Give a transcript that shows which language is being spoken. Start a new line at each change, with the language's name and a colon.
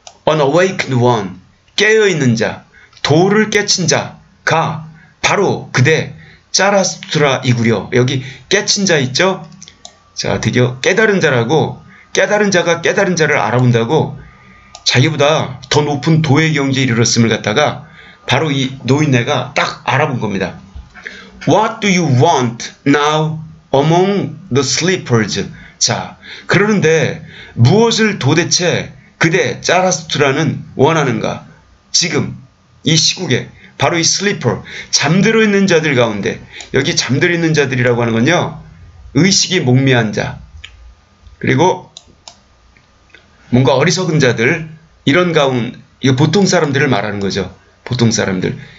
English: Unawakened one,
Korean: 깨어있는 자, 도를 깨친 자가 바로 그대 짜라투트라이구려. 여기 깨친 자 있죠? 자, 드디어 깨달은 자라고, 깨달은 자가 깨달은 자를 알아본다고 자기보다 더 높은 도의 경지에 이르렀음을 갖다가 바로 이 노인네가 딱 알아본 겁니다.
English: What do you want now among the sleepers?
Korean: 자, 그러는데 무엇을 도대체 그대 짜라스투라는 원하는가? 지금 이 시국에 바로 이 sleeper, 잠들어 있는 자들 가운데, 여기 잠들어 있는 자들이라고 하는 건요, 의식이 몽미한 자, 그리고 뭔가 어리석은 자들, 이런 가운데, 이 보통 사람들을 말하는 거죠. 보통 사람들.